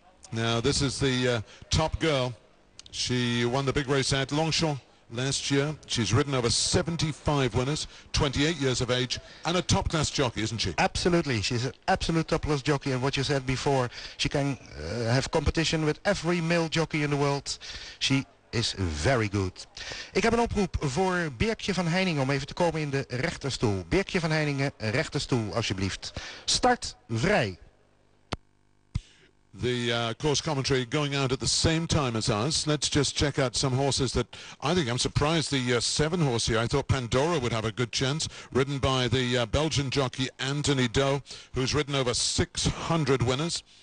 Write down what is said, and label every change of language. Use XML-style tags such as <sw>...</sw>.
<en>Now this is the top girl. She won the big race at Longchamp last year. She's ridden over 75 winners, 28 years of age, and a top-class jockey, isn't she? Absolutely. She's an absolute top-class jockey, and what you said before, she can have competition with every male jockey in the world. She is very good.</en> <nl>Ik heb een oproep voor Beertje van Heiningen om even te komen in de rechterstoel. Beertje van Heiningen, rechterstoel, alsjeblieft. Start vrij.</nl> <en>The course commentary going out at the same time as us. Let's just check out some horses that I think I'm surprised. The 7 horse here, I thought Pandora would have a good chance, ridden by the Belgian jockey Anthony Doe, who's ridden over 600 winners.</en>